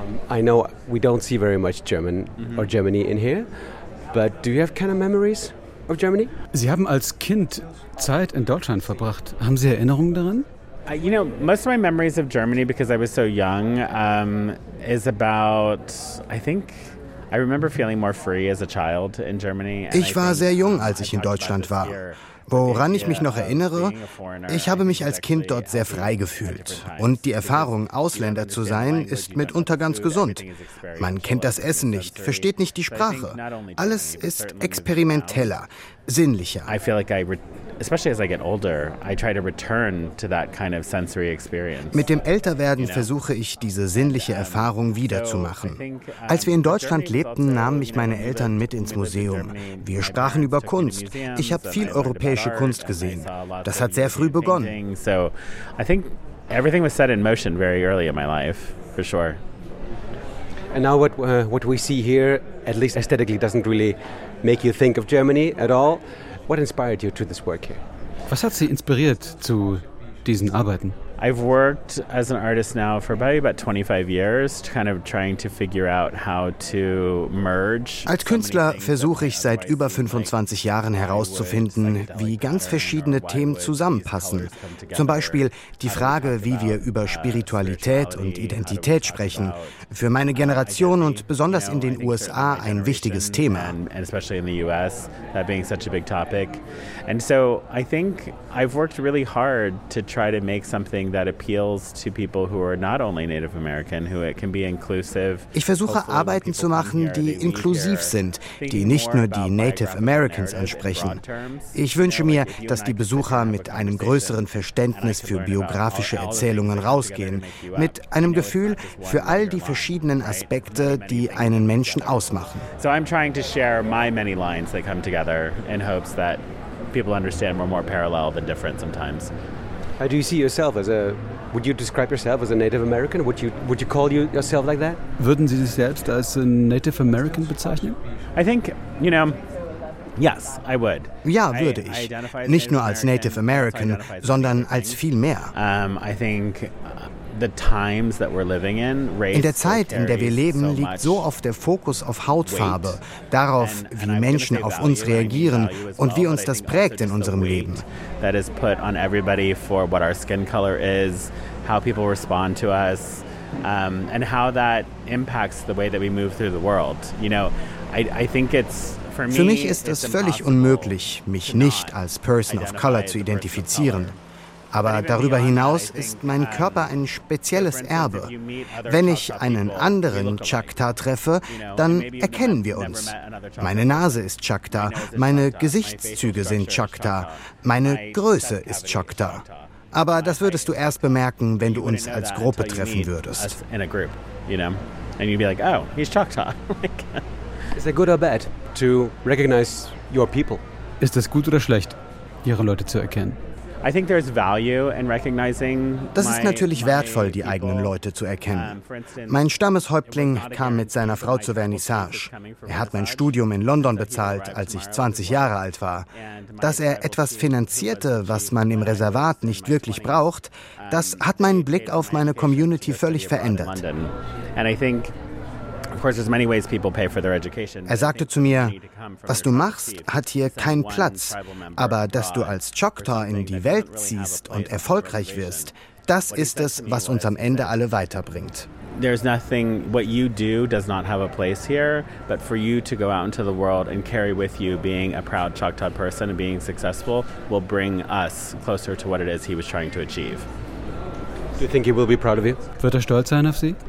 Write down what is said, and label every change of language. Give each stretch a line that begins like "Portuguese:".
English: I know we don't see very much German or Germany in here, but do you have kind of memories of Germany?
German: Sie haben als Kind Zeit in Deutschland verbracht. Haben Sie Erinnerungen daran?
English: You know, most of my memories of Germany, because I was so young, is about, I think, I remember feeling more free as a child in Germany.
German: Ich war sehr jung, als ich in Deutschland war. Woran ich mich noch erinnere, ich habe mich als Kind dort sehr frei gefühlt. Und die Erfahrung, Ausländer zu sein, ist mitunter ganz gesund. Man kennt das Essen nicht, versteht nicht die Sprache. Alles ist experimenteller, sinnlicher.
English: I feel like I, especially as I get older, I try to return to that kind of sensory experience.
German: Mit dem Älterwerden versuche ich, diese sinnliche Erfahrung wiederzumachen. Als wir in Deutschland lebten, nahmen mich meine Eltern mit ins Museum. Wir sprachen über Kunst. Ich habe viel europäische Kunst gesehen. Das hat sehr früh begonnen.
English: So, I think everything was set in motion very early in my life, for sure. And now what we see here, at least aesthetically, doesn't really make you think of Germany at all. What inspired you to this work here?
German: Was hat Sie inspiriert zu diesen Arbeiten?
English: I've worked as an artist now for about 25 years, kind of trying to figure out how to merge.
German: Als Künstler versuche ich seit über 25 Jahren herauszufinden, wie ganz verschiedene Themen zusammenpassen. Zum Beispiel die Frage, wie wir über Spiritualität und Identität sprechen. Für meine Generation und besonders in den USA ein wichtiges Thema.
English: And especially in the US, that being such a big topic. And so I think I've worked really hard to try to make something that appeals to people who are not only Native American, who it can be inclusive.
German: Ich versuche Arbeiten zu machen, die inklusiv sind, die nicht nur die Native Americans ansprechen. Ich wünsche mir, dass die Besucher mit einem größeren Verständnis für biografische Erzählungen rausgehen, mit einem Gefühl für all die verschiedenen Aspekte, die einen Menschen ausmachen.
English: So I'm trying to share my many lines that come together in hopes that people understand we're more parallel than different sometimes. How do you see yourself as a, would you describe yourself as a Native American? Would you call you yourself like that?
German: Würden Sie sich selbst als Native American bezeichnen?
English: I think, you know, yes, I would.
German: Ja, würde ich. Nicht nur als Native American, sondern als viel mehr.
English: I think the times that we're living in, race,
German: in der Zeit, in der wir leben, liegt so oft der Fokus auf Hautfarbe, darauf, wie Menschen auf uns reagieren und wie uns das prägt in unserem Leben.
English: That is put on everybody for what our skin color is, how people respond to us, and how that impacts the way that we move through the world. You know, I think it's for me.
German: Für mich ist es völlig unmöglich, mich nicht als Person of Color zu identifizieren. Aber darüber hinaus ist mein Körper ein spezielles Erbe. Wenn ich einen anderen Choctaw treffe, dann erkennen wir uns. Meine Nase ist Choctaw, meine Gesichtszüge sind Choctaw, meine Größe ist Choctaw. Aber das würdest du erst bemerken, wenn du uns als Gruppe treffen würdest.
English: And you'd be like, oh, he's Choctaw. Is it good or bad to recognize your people?
German: Ist es gut oder schlecht, ihre Leute zu erkennen? Das ist natürlich wertvoll, die eigenen Leute zu erkennen. Mein Stammeshäuptling kam mit seiner Frau zur Vernissage. Er hat mein Studium in London bezahlt, als ich 20 Jahre alt war. Dass er etwas finanzierte, was man im Reservat nicht wirklich braucht, das hat meinen Blick auf meine Community völlig verändert. Er sagte zu mir, was du machst, hat hier keinen Platz, aber dass du als Choctaw in die Welt ziehst und erfolgreich wirst, das ist es, was uns am Ende alle weiterbringt. There's nothing, what you do does not have a place here, but for you to go out into the world and carry with you being a proud Choctaw person and being successful will bring us closer to what it is he was trying to achieve.
English: Do you think he will be proud of you?
German: Wird stolz sein auf Sie?